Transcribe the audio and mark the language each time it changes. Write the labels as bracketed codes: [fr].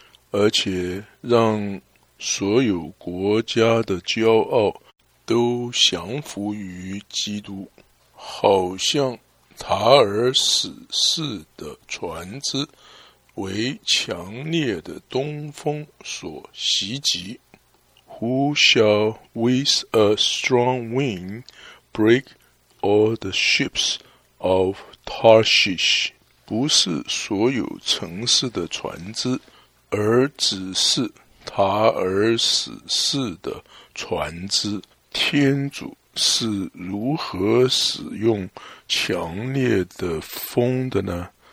[zh] 而且让所有国家的骄傲都降服于基督，好像塔尔史士的船只为强烈的东风所袭击。 [en] Who shall with a strong wind break all the ships of Tarshish? [zh] 不是所有城市的船只，而只是塔尔史士的船只。天主是如何使用强烈的风的呢？